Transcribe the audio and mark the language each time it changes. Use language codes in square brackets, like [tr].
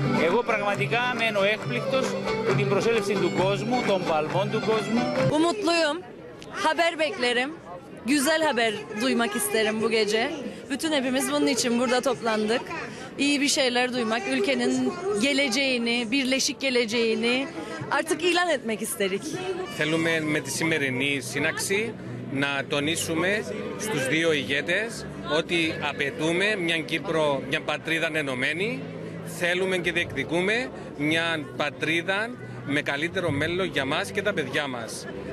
[el] Εγώ πραγματικά μένω έκπληκτος με την προσέλευση του κόσμου, των παλμών του κόσμου. [tr] Umutluyum, haber beklerim, güzel haber duymak isterim bu gece. Bütün hepimiz bunun için burada toplandık. İyi bir şeyler duymak, ülkenin geleceğini, birleşik geleceğini artık ilan etmek isterik. [el] Θέλουμε με τη σημερινή σύναξη να τονίσουμε στους δύο ηγέτες ότι απαιτούμε μια Κύπρο, μια πατρίδα ενωμένη. Θέλουμε και διεκδικούμε μια πατρίδα με καλύτερο μέλλον για μας και τα παιδιά μας.